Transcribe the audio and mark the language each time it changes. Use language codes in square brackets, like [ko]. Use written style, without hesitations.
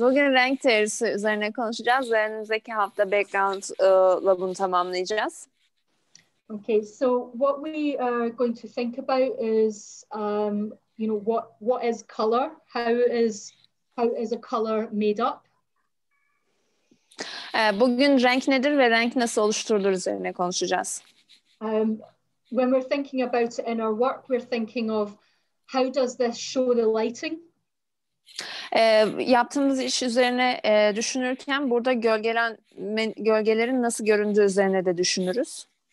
[tr] Bugün renk teorisi üzerine konuşacağız. Önümüzdeki hafta background'la bunu tamamlayacağız. [en] Okay. So what we are going to think about is you know what is color? How is a color made up? [tr] Bugün renk nedir ve renk nasıl oluşturulur üzerine konuşacağız. [en] When we're thinking about it in our work, we're thinking of how does this show the lighting? [tr] Yaptığımız iş üzerine düşünürken burada gölgelerin nasıl göründüğü üzerine de düşünürüz.